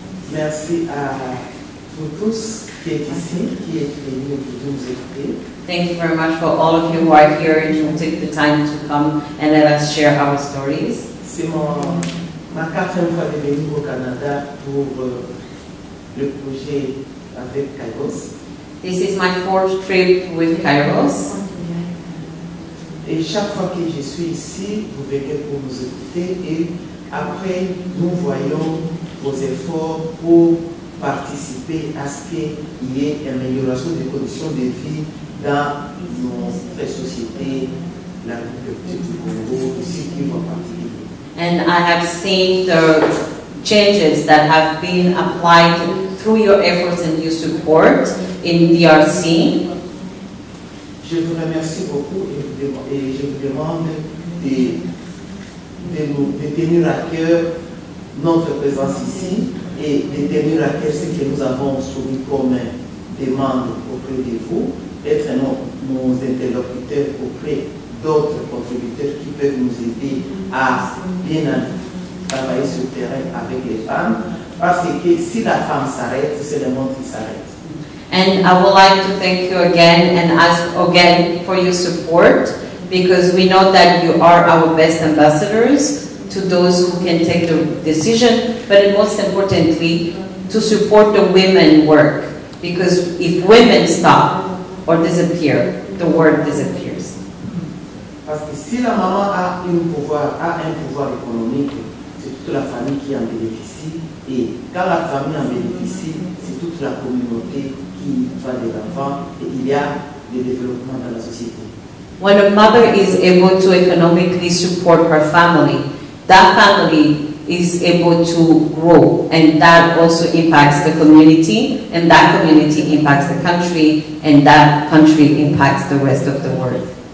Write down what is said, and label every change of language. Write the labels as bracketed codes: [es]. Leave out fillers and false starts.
[fr] Merci à vous tous qui êtes ici, qui êtes venus nous écouter. [en] Thank you very much for all of you who are here and who took the time to come and let us share our stories. [fr] C'est ma quatrième fois de venir au Canada pour le projet avec KAIROS. [en] This is my fourth trip with KAIROS. [fr] Et chaque fois que je suis ici, vous venez pour nous écouter et après, nous voyons vos efforts pour participer à ce qu'il y ait une amélioration des conditions de vie dans notre société, la République du Congo, ici qui vont participer. [en] And I have seen the changes that have been applied through your efforts and your support in DRC. [fr] Je vous remercie beaucoup et je vous demande de tenir à cœur notre présence ici et de tenir à cœur ce que nous avons soumis comme demande auprès de vous, être nos interlocuteurs auprès d'autres contributeurs qui peuvent nous aider à bien travailler sur le terrain avec les femmes, parce que si la femme s'arrête, c'est le monde qui s'arrête. [en] And I would like to thank you again and ask again for your support, because we know that you are our best ambassadors to those who can take the decision, but most importantly, to support the women work. Because if women stop or disappear, the world disappears. [fr] Parce que si la maman a un pouvoir économique, c'est toute la famille qui en bénéficie. Et quand la famille en bénéficie, c'est toute la communauté qui va de l'avant et il y a des développements dans la société. [en] When a mother is able to economically support her family, that family is able to grow, and that also impacts the community, and that community impacts the country, and that country impacts the rest of the world.